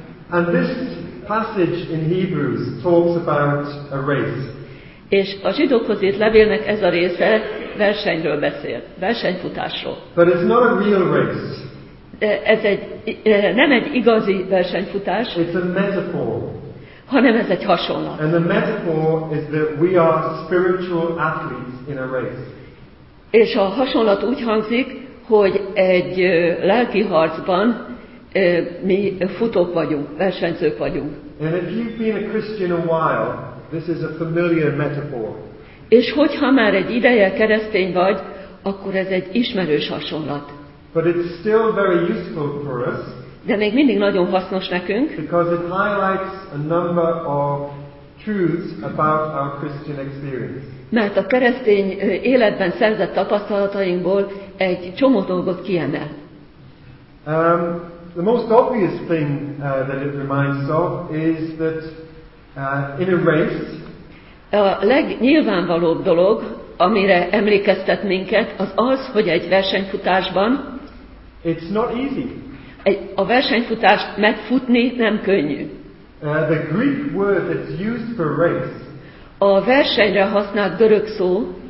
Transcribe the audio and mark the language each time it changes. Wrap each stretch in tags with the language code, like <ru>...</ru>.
<en>And this passage in Hebrews talks about a race.</en> <hu>És a zsidókhoz írt levélnek ez a része versenyről beszél, versenyfutásról.</hu> <en>But it's not a real race.</en> <hu>Nem egy igazi versenyfutás.</hu> <en>It's a metaphor.</en> <hu>Hanem ez egy hasonlat.</hu> <en>And the metaphor is that we are spiritual athletes in a race.</en> <hu>És a hasonlat úgy hangzik, hogy egy lelki harcban mi futók vagyunk, versenyzők vagyunk.</hu> <en>And if you've been a Christian a while, this is a familiar metaphor.</en> <hu>És hogyha már egy ideje keresztény vagy, akkor ez egy ismerős hasonlat.</hu> <en>But it's still very useful for us.</en> <hu>De még mindig nagyon hasznos nekünk.</hu> <en>Because it highlights a number of truths about our Christian experience.</en> <hu>Mert a keresztény életben szerzett tapasztalatainkból egy csomó dolgot kiemel.</hu> <en>The most obvious thing that it reminds of is that in a race.</en> <hu>A legnyilvánvalóbb dolog, amire emlékeztet minket, az az, hogy egy versenyfutásban.</hu> <en>It's not easy.</en> <hu>A versenyfutást megfutni nem könnyű.</hu> <en>The Greek word that's used for race.</en> <hu>A versenyre használt görög szó.</hu>